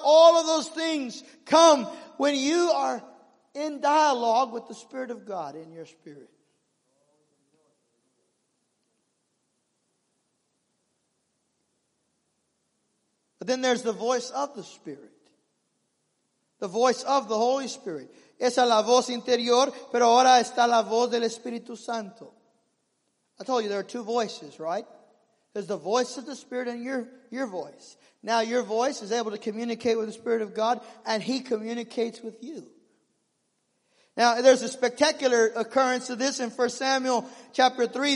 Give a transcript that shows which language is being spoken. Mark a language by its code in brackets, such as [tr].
[en] All of those things come when you are in dialogue with the Spirit of God in your spirit. But then there's the voice of the Spirit. The voice of the Holy Spirit. [es] Esa es la voz interior, pero ahora está la voz del Espíritu Santo. [en] I told you there are two voices, right? There's the voice of the Spirit and your voice. Now your voice is able to communicate with the Spirit of God, and He communicates with you. Now there's a spectacular occurrence of this in 1 Samuel chapter 3.